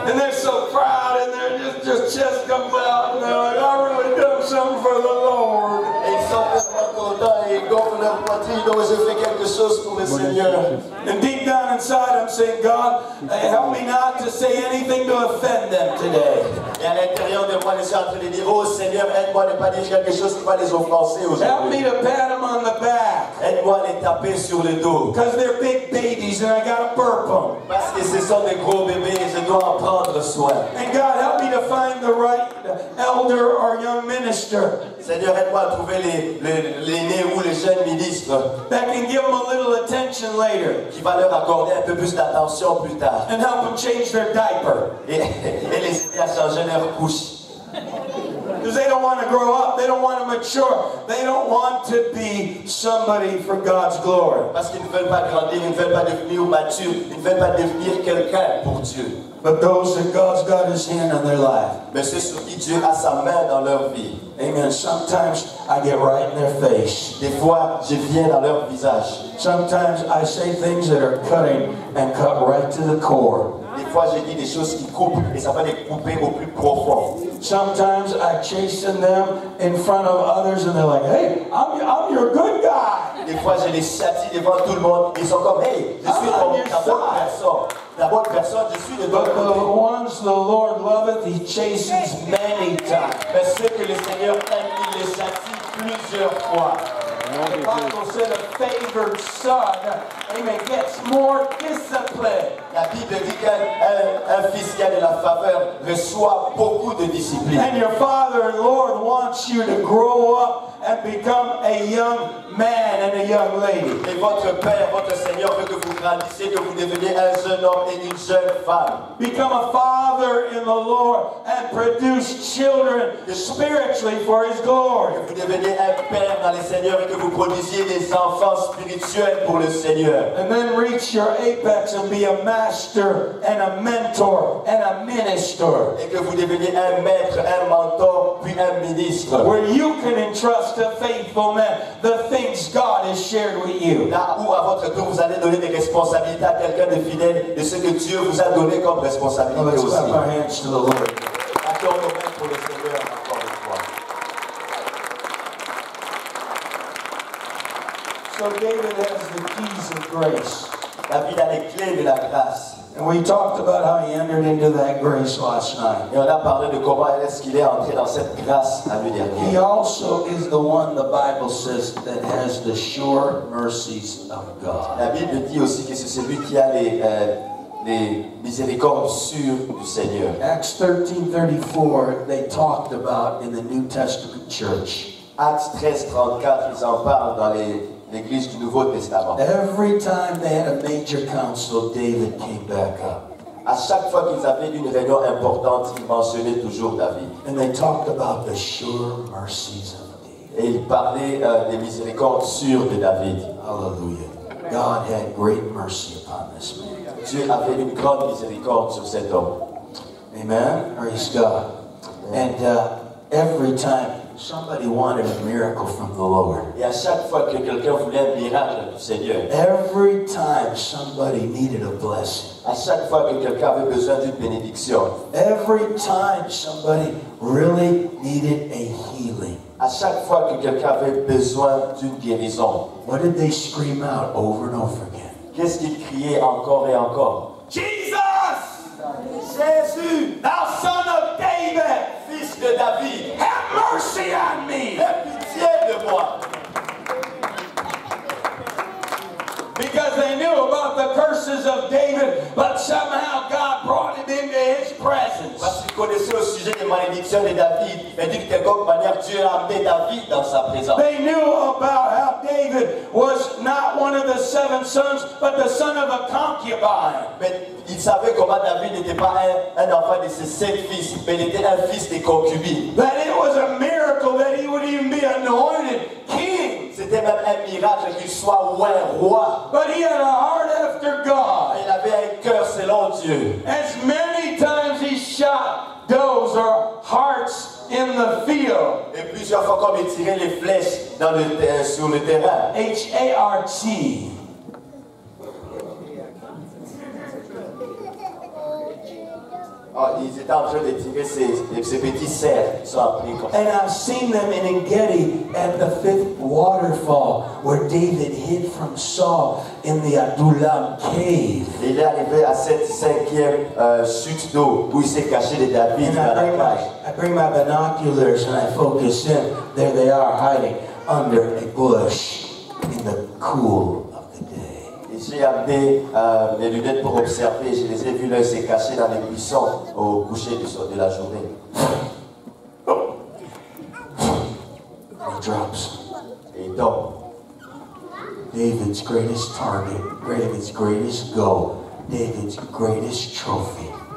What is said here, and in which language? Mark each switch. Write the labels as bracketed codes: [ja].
[en] And they're so proud and they're just chest come out and they're like, I really done something for the Lord. [fr] Ils sont tellement contents et gonflent leur poitrine, donc je fais quelque chose pour le Seigneur. [en] And deep down inside I'm saying, God, help me not to say anything to offend them today. [fr] Et à l'intérieur de moi, je suis en train de dire, oh Seigneur, aide-moi de ne pas dire quelque chose qui va les offenser aujourd'hui. [en] Help me to pat them on the back. [fr] Aide-moi à les taper sur le dos. [en] Because they're big babies and I gotta burp them. [fr] Parce que ce sont des gros bébés et je dois en prendre soin. [en] And God, help me to find the right elder or young minister. [fr] Seigneur, aide-moi à trouver l'aîné ou le jeune ministre. [en] That can give them a little attention later. [fr] Qui va leur accorder un peu plus d'attention plus tard. [en] And help them change their diaper. [fr] Et les aider à changer leur couche. [en] Because they don't want to grow up, they don't want to mature, they don't want to be somebody for God's glory. [fr] Parce qu'ils ne veulent pas grandir, ils ne veulent pas devenir mature, ils ne veulent pas devenir quelqu'un pour Dieu. [en] But those that God's got His hand on their life. [fr] Mais c'est sur qui Dieu a sa main dans leur vie. [en] Amen. Sometimes I get right in their face. [fr] Des fois, je viens dans leur visage. [en] Sometimes I say things that are cutting and cut right to the core. [fr] Des fois, je dis des choses qui coupent et ça va les couper au plus profond. [en] Sometimes I chasten them in front of others and they're like, hey, I'm your good guy. [fr] Des fois, je les châtie devant tout le monde. Ils sont comme, hey, je suis la bonne personne. La bonne personne, je suis le bon. [en] But the ones the Lord loveth, he chastens many times. [fr] Mais ceux que le Seigneur aime, il les châtie plusieurs fois. [en] The Bible said a favored son, amen, gets more discipline. [fr] La Bible dit qu'un fils qui a de la faveur reçoit beaucoup de discipline. [en] And your father and Lord wants you to grow up and become a young man and a young lady. [fr] Et votre père, votre Seigneur veut que vous grandissiez, que vous deveniez un jeune homme et une jeune femme. [en] Become a father in the Lord and produce children spiritually for His glory. [fr] Que vous deveniez un père dans le Seigneur et que vous produisiez des enfants spirituels pour le Seigneur. [en] And then reach your apex and be a master and a mentor and a minister. [fr] Et que vous deveniez un maître, un mentor, puis un ministre. [en] Where you can entrust to faithful men the things God has shared with you. [fr] Là où à votre tour vous allez donner des responsabilités à quelqu'un de fidèle de ce que Dieu vous a donné comme responsabilité. [en] Let's [fr] aussi. [en] Clap our hands to the Lord. [fr] Attends nos mains pour le Seigneur encore une fois. [en] So David has the keys of grace. [fr] David a les clés de la grâce. [en] And we talked about how he entered into that grace last night. [fr] Et on a parlé de comment est-ce qu'il est entré dans cette grâce la nuit dernière. [en] He also is the one the Bible says that has the sure mercies of God. [fr] La Bible dit aussi que c'est celui qui a les miséricordes sûres du Seigneur. [en] Acts 13:34, they talked about in the New Testament church. [fr] Acts 13:34, ils en parlent dans l'Église du Nouveau Testament. [en] Every time they had a major council, David came back up. [fr] À chaque fois qu'ils avaient une réunion importante, ils mentionnaient toujours David. [en] And they talked about the sure mercies of David. [fr] Et ils parlaient des miséricordes sûres de David. [en] Hallelujah. God had great mercy upon this man. [fr] Dieu avait une grande miséricorde sur cet homme. [en] Amen. Praise God. And every time somebody wanted a miracle from the Lord. [fr] Et à chaque fois que quelqu'un voulait un miracle du Seigneur. [en] Every time somebody needed a blessing. [fr] À chaque fois que quelqu'un avait besoin d'une bénédiction. [en] Every time somebody really needed a healing. [fr] À chaque fois que quelqu'un avait besoin d'une guérison. [en] What did they scream out over and over again? [fr] Qu'est-ce qu'ils criaient encore et encore? [en] Jesus! [fr] Jésus! [en] Thou son of David! [fr] Fils de David! [en] Mercy on me! Have [fr] pitié de moi! [en] Because they knew about the curses of David, but somehow God brought him into His presence. [fr] Parce qu'ils connaissaient au sujet des malédictions de David, mais d'une quelconque manière, Dieu a amené David dans sa présence. [en] They knew about how David was not one of the seven sons, but the son of a concubine. [fr] Mais ils savaient comment David n'était pas un enfant de ses sept fils, mais il était un fils des concubines. [en] That it was a miracle that he would even be anointed king. [fr] C'était même un miracle qu'il soit un roi. [en] But he had a heart after God. [fr] Il avait un cœur selon Dieu. [en] As many times he shot doves or hearts in the field. [fr] Et plusieurs fois comme il tirait les flèches dans le sur le terrain. [en] H-A-R-T. [fr] Oh, ils étaient en train de tirer ces petits cerfs. [en] And I've seen them in Engedi at the fifth waterfall where David hid from Saul in the Adullam cave. [fr] Il est arrivé à cette cinquième chute d'eau où il s'est caché de David. [en] I bring my binoculars and I focus in. There they are hiding under a bush in the cool. [fr] J'ai amené mes lunettes pour observer. Je les ai vus là, ils s'est caché dans les buissons au coucher de la journée. [en] He drops. [fr] Et donc, [en] David's greatest target, David's greatest goal, David's greatest trophy.